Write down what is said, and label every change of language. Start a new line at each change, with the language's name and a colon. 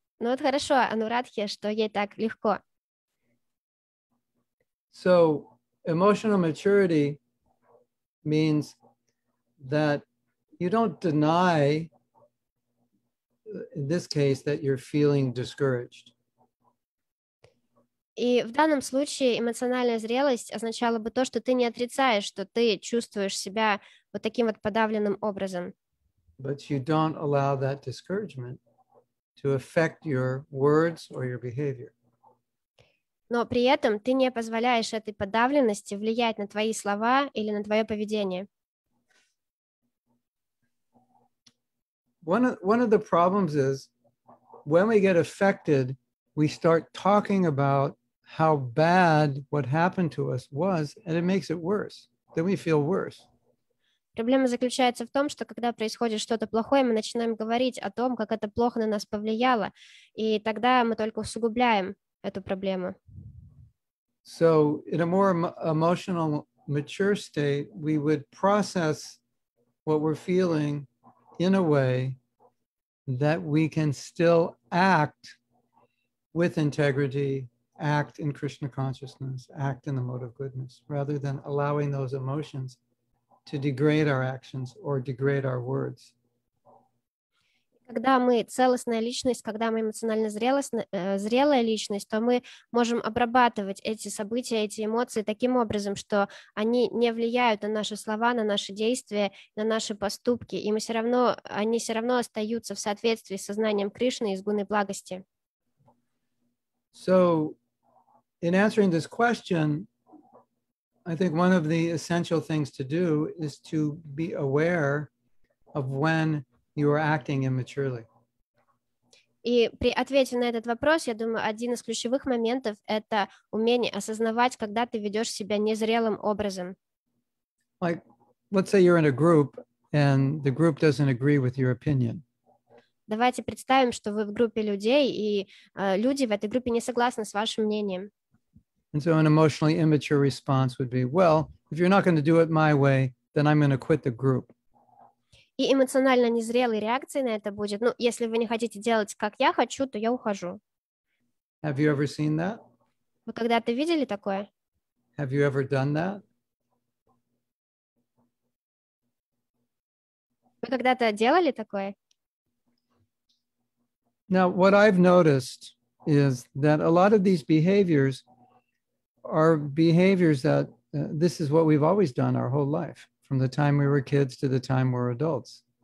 Russian: Ну, это хорошо, Анурадхе, что ей так легко.
English: So, emotional maturity means that you don't deny, in this case, that you're feeling discouraged.
Russian: И в данном случае эмоциональная зрелость означала бы то, что ты не отрицаешь, что ты чувствуешь себя вот таким вот подавленным образом.
English: But you don't allow that discouragement to affect your words or your behavior.
Russian: Но при этом ты не позволяешь этой подавленности влиять на твои слова или на твое поведение.
English: One of the problems is when we get affected, we start talking about how bad what happened to us was, and it makes it worse. Then we feel worse.
Russian: Проблема заключается в том, что когда происходит что-то плохое, мы начинаем говорить о том, как это плохо на нас повлияло, и тогда мы только усугубляем эту проблему.
English: So in a more emotional, mature state, we would process what we're feeling in a way that we can still act with integrity, act in Krishna consciousness, act in the mode of goodness, rather than allowing those emotions to degrade our actions or degrade our words.
Russian: Когда мы целостная личность, когда мы эмоционально зрелая личность, то мы можем обрабатывать эти события, эти эмоции таким образом, что они не влияют на наши слова, на наши действия, на наши поступки, и мы все равно, они все равно остаются в соответствии с сознанием Кришны и с гуной благости.
English: So, in answering this question, I think one of the essential things to do is to be aware of when you are acting immaturely.
Russian: И при ответе на этот вопрос, я думаю, один из ключевых моментов — это умение осознавать, когда ты ведешь себя незрелым образом.
English: Like, let's say you're in a group, and the group doesn't agree with your opinion.
Russian: Давайте представим, что вы в группе людей, и люди в этой группе не согласны с вашим мнением.
English: And so an emotionally immature response would be, well, if you're not going to do it my way, then I'm going to quit the group.
Russian: И эмоционально незрелой реакцией на это будет, ну, если вы не хотите делать, как я хочу, то я ухожу.
English: Have you ever seen that?
Russian: Вы когда-то видели такое?
English: Have you ever done that?
Russian: Вы когда-то делали такое?
English: Now, what I've noticed is that a lot of these behaviors are behaviors that this is what we've always done our whole life. From the time we were kids to the time we're adults.